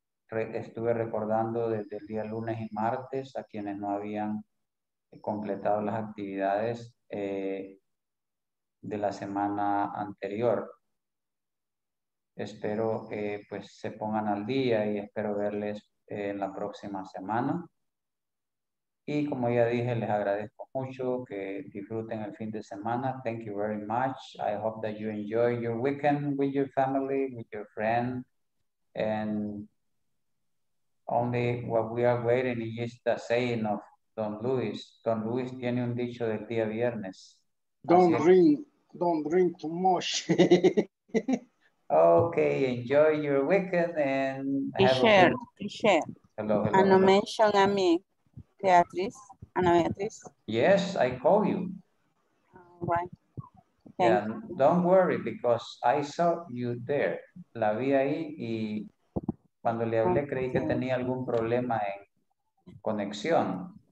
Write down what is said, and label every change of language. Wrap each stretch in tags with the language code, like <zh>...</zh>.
<es>Estuve recordando desde el día lunes y martes a quienes no habían completado las actividades de la semana anterior. Espero que pues se pongan al día y espero verles en la próxima semana. Y como ya dije, les agradezco mucho que disfruten el fin de semana.</es> <en>Thank you very much. I hope that you enjoy your weekend with your family, with your friend. And only what we are waiting is the saying of Don Luis.</en> <es>Don Luis tiene un dicho del día viernes.</es> <en>Don't drink too much. Okay, enjoy your weekend and hello. And no mention a me, Beatriz. Yes, I call you. All right. Yeah, don't worry, because I saw you there.</en> <es>La vi ahí y cuando le hablé creí que tenía algún problema en conexión.</es>